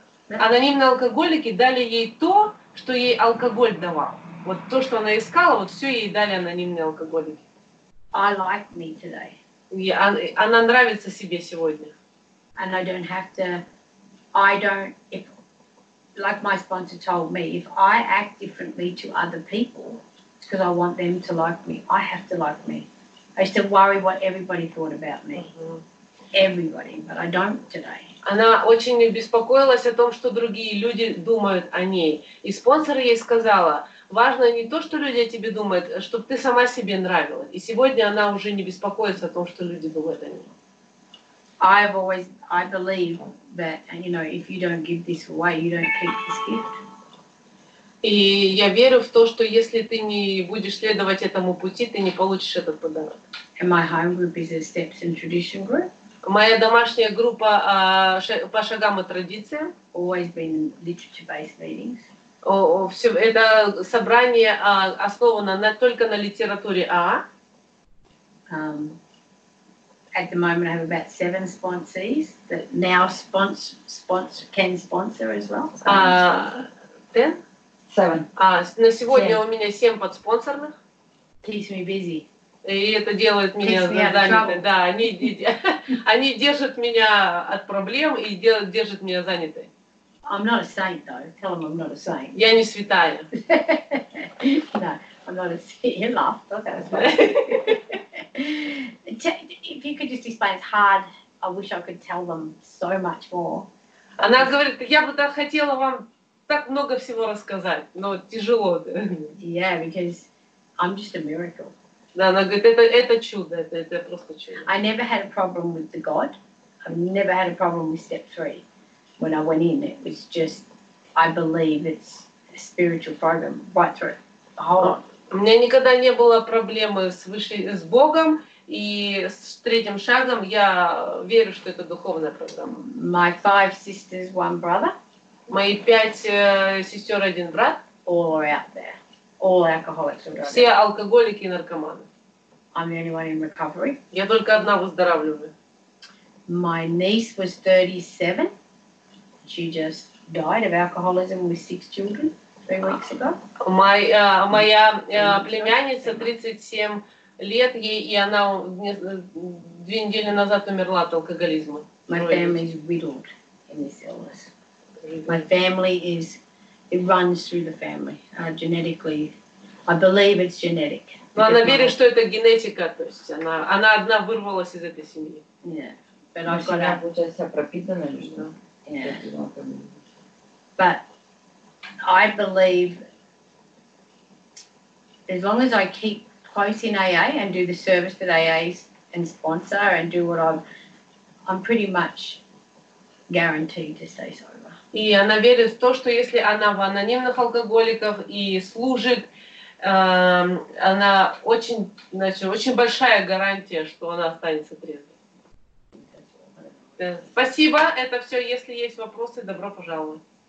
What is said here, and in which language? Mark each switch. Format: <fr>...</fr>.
<ru>Анонимные алкоголики дали ей то, что ей алкоголь давал. Вот то, что она искала, вот все ей дали анонимные алкоголики.</ru> <en>I like me today.</en> <ru>Она нравится себе сегодня.</ru> <en>And I don't have to, if, like my sponsor told me, if I act differently to other people, it's because I want them to like me. I have to like me. I used to worry what everybody thought about me. Everybody, but I don't today.</en> <ru>Она очень беспокоилась о том, что другие люди думают о ней. И спонсор ей сказала, важно не то, что люди о тебе думают, а чтобы ты сама себе нравилась. И сегодня она уже не беспокоится о том, что люди думают о ней.</ru> <en>I've always, I believe that, you know, if you don't give this away, you don't keep this gift.</en> <ru>И я верю в то, что если ты не будешь следовать этому пути, ты не получишь этот подарок.</ru> <en>And my home group is a steps and tradition group.</en> <ru>Моя домашняя группа по шагам и традициям.</ru> <en>Always been literature-based meetings.</en> <ru>Все, это собрание основано только на литературе АА.</ru> <en>At the moment I have about 7 sponsees that now sponsor, can sponsor as well. Ten? Seven.</en> <ru>На сегодня у меня 7 подспонсорных.</ru> <en>Keeps me busy.</en> <ru>И это делает меня занятой. Да, они держат меня от проблем и держат меня занятой.</ru> <en>I'm not a saint, though. Tell them I'm not a saint.</en> <ru>Я не святая.</ru> <en>No, I'm not a saint. You laughed. Okay, that's fine. If you could just explain, it's hard. I wish I could tell them so much more.</en> <ru>Она говорит, я бы так хотела вам так много всего рассказать, но тяжело.</ru> <en>Yeah, because I'm just a miracle.</en> <ru>Да, она говорит, это чудо, это просто чудо.</ru> <en>I never had a problem with the God. I've never had a problem with step three. When I went in, it was just, I believe it's a spiritual program right through. Hold on.</en> <ru>У меня никогда не было проблемы с Богом и с третьим шагом. Я верю, что это духовная программа.</ru> <en>My 5 sisters, 1 brother.</en> <ru>Мои 5 сестер, 1 брат.</ru> <en>All are out there. All alcoholics and drugs.</en> <ru>Все алкоголики и наркоманы.</ru> <en>I'm the only one in recovery.</en> <ru>Я только одна выздоравливаю.</ru> <en>My niece was 37. She just died of alcoholism with 6 children 3 weeks ago.</en> <ru>Моя племянница 37 лет ей, и она 2 недели назад умерла от алкоголизма.</ru> <en>My family is riddled in this illness. My family is. It runs through the family, genetically. I believe it's genetic.</en> <ru>Но она верит, что это генетика, то есть она одна вырвалась из этой семьи.</ru> <en>Yeah.</en> <ru>Но семья получается пропитана, что?</ru> <en>Yeah. But I believe as long as I keep close in AA and do the service that AA and sponsor and do what I'm pretty much guaranteed to stay sober.</en> <ru>И она верит в то, что если она в анонимных алкоголиках и служит, она очень, значит, очень большая гарантия, что она останется трезвой. Спасибо, это все. Если есть вопросы, добро пожаловать.</ru>